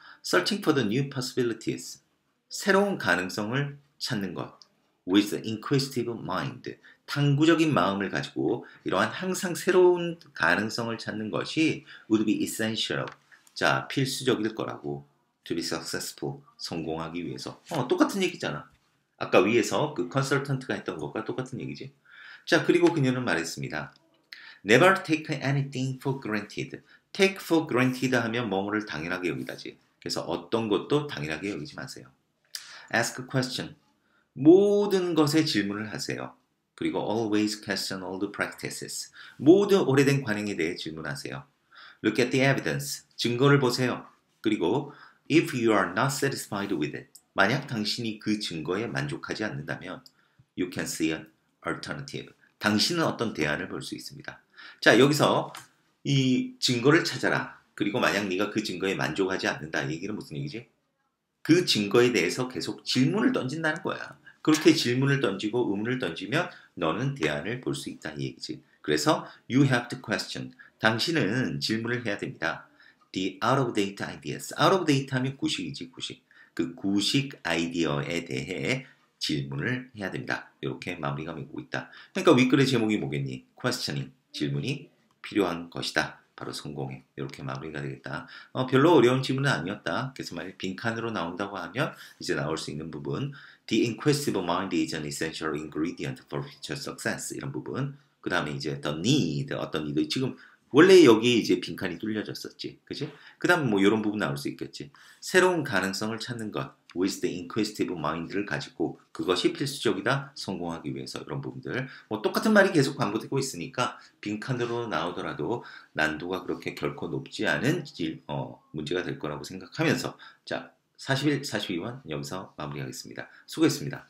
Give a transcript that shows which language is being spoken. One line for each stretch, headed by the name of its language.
English: Searching for the new possibilities.
Korean: 새로운 가능성을 찾는 것.
English: With inquisitive mind.
Korean: 탐구적인 마음을 가지고 이러한 항상 새로운 가능성을 찾는 것이
English: would be essential.
Korean: 자, 필수적일 거라고.
English: To be successful.
Korean: 성공하기 위해서. 똑같은 얘기잖아. 아까 위에서 그 컨설턴트가 했던 것과 똑같은 얘기지. 자, 그리고 그녀는 말했습니다.
English: Never take anything for granted.
Korean: Take for granted 하면 뭐뭐를 당연하게 여기다지. 그래서 어떤 것도 당연하게 여기지 마세요.
English: Ask a question.
Korean: 모든 것에 질문을 하세요. 그리고
English: always question old practices.
Korean: 모든 오래된 관행에 대해 질문하세요.
English: Look at the evidence.
Korean: 증거를 보세요. 그리고
English: if you are not satisfied with it.
Korean: 만약 당신이 그 증거에 만족하지 않는다면
English: you can see an alternative.
Korean: 당신은 어떤 대안을 볼 수 있습니다. 자, 여기서 이 증거를 찾아라. 그리고 만약 네가 그 증거에 만족하지 않는다. 얘기는 무슨 얘기지? 그 증거에 대해서 계속 질문을 던진다는 거야. 그렇게 질문을 던지고 의문을 던지면 너는 대안을 볼 수 있다. 이 얘기지. 그래서
English: you have to question.
Korean: 당신은 질문을 해야 됩니다.
English: The out of date ideas.
Korean: out of date 하면 구식이지, 구식. 그 구식 아이디어에 대해 질문을 해야 됩니다. 이렇게 마무리가 되고 있다. 그러니까 윗글의 제목이 뭐겠니? questioning. 질문이 필요한 것이다. 바로 성공해. 이렇게 마무리가 되겠다. 별로 어려운 질문은 아니었다. 그래서 만약 빈칸으로 나온다고 하면 이제 나올 수 있는 부분.
English: The inquisitive mind is an essential ingredient for future success.
Korean: 이런 부분. 그 다음에 이제 the need. 어떤 need. 지금 원래 여기 이제 빈칸이 뚫려졌었지. 그치? 그 다음에 뭐 이런 부분 나올 수 있겠지. 새로운 가능성을 찾는 것.
English: With the inquisitive mind를
Korean: 가지고 그것이 필수적이다. 성공하기 위해서 이런 부분들. 뭐 똑같은 말이 계속 반복되고 있으니까 빈칸으로 나오더라도 난도가 그렇게 결코 높지 않은 문제가 될 거라고 생각하면서 자, 41, 42번 여기서 마무리하겠습니다. 수고했습니다.